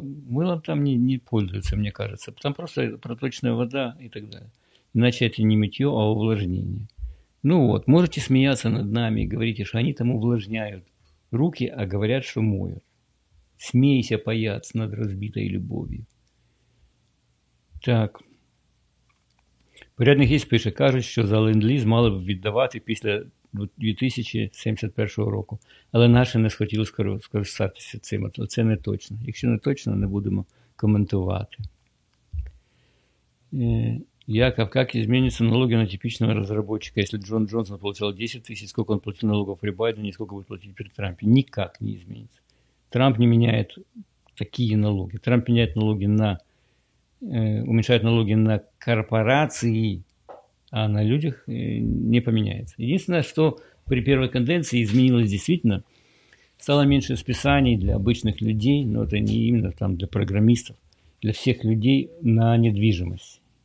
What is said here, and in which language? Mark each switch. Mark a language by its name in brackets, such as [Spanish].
[Russian] Мылом там не пользуются, мне кажется. Там просто проточная вода и так далее. Иначе это не мытье, а увлажнение. Ну вот, можете смеяться над нами и говорите, что они там увлажняют руки, а говорят, что моют. Смейся, паяц, над разбитой любовью. Так. [Ukrainian] Порядник есть, пише: кажуть, що за ленд-ліз мали б віддавати після 2071 року. Але наші не схотіли скористатися цим. Це не точно. Якщо не точно, не будемо коментувати. Яков, як зміняться налоги на типічного розробника? Якщо Джон Джонсон отримав 10 тисяч, скільки він платив налогів при Байдені, скільки буде платити при Трампі? Ніяк не зміниться. Трамп не міняє такі налоги. Трамп міняє налоги на... [Russian] уменьшают налоги на корпорации, а на людях не поменяется. Единственное, что при первой конденции изменилось действительно, стало меньше списаний для обычных людей, но это не именно там для программистов, для всех людей на недвижимость.